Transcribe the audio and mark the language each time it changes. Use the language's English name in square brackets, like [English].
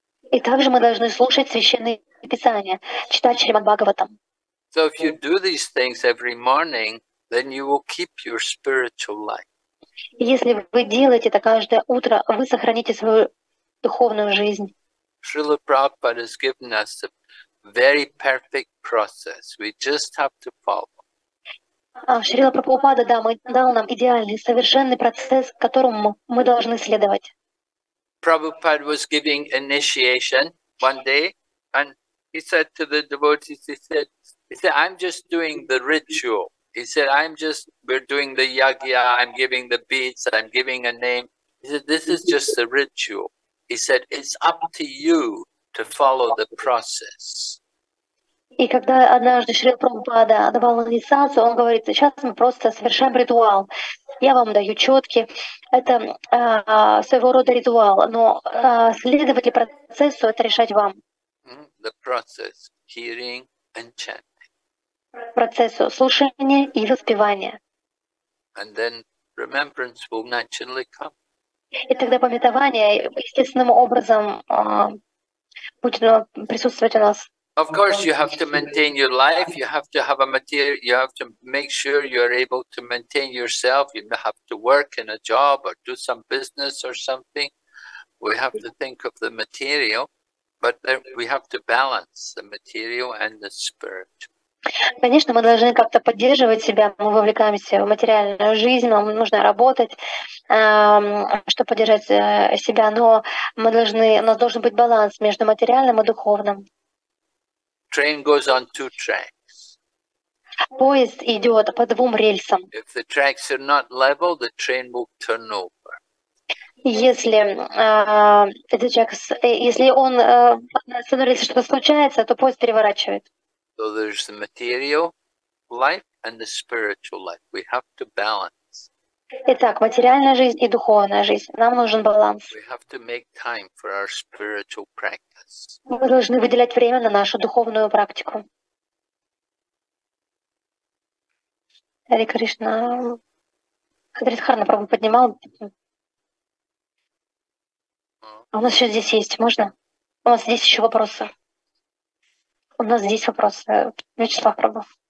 [Russian] И также мы должны слушать священные писания, читать Шримад-Бхагаватам. [English] So if you do these things every morning, then you will keep your spiritual life. [Russian] Если вы делаете это каждое утро, вы сохраните свою духовную жизнь. [English] Шрила Прабхупада has given us a very perfect process. We just have to follow. [Russian] Шрила Прабхупада, да, дал нам идеальный, совершенный процесс, которому мы должны следовать. [English] Prabhupada was giving initiation one day, and he said to the devotees, he said, I'm just doing the ritual. He said, we're doing the yagya, I'm giving the beads, I'm giving a name. He said, this is just a ritual. He said, it's up to you to follow the process. [Russian] И когда однажды Шрила Прабхупада давал инициацию, он говорит, сейчас мы просто совершаем ритуал. Я вам даю четки. Это своего рода ритуал. Но следовать ли процессу, это решать вам. [English] The process, hearing and chanting. [Russian] Процессу слушания и воспевания. [English] And then remembrance will naturally come. [Russian] И тогда памятование естественным образом будет присутствовать у нас. [English] Of course, you have to maintain your life. You have to have a material. You have to make sure you are able to maintain yourself. You have to work in a job or do some business or something. We have to think of the material, but there, we have to balance the material and the spirit. [Russian] Конечно, мы должны как-то поддерживать себя. Мы вовлекаемся в материальную жизнь, нам нужно работать, чтобы поддержать себя. Но мы должны, у нас должен быть баланс между материальным и духовным. [English] Train goes on two tracks. [Russian] Поезд идет по двум рельсам. [English] If the tracks are not level, the train will turn over. [Russian] Если этот рельс, если он становится, что случается, то поезд переворачивает. [English] So there's the material life and the spiritual life. We have to balance. [Russian] Итак, материальная жизнь и духовная жизнь. Нам нужен баланс. [English] We have to make time for our spiritual practice. [Russian] Мы должны выделять время на нашу духовную практику. Хари Кришна. Хадридхарна, пробуй, поднимал. А у нас еще здесь есть, можно? У нас здесь еще вопросы. У нас здесь вопросы. Вячеслав, пробуй.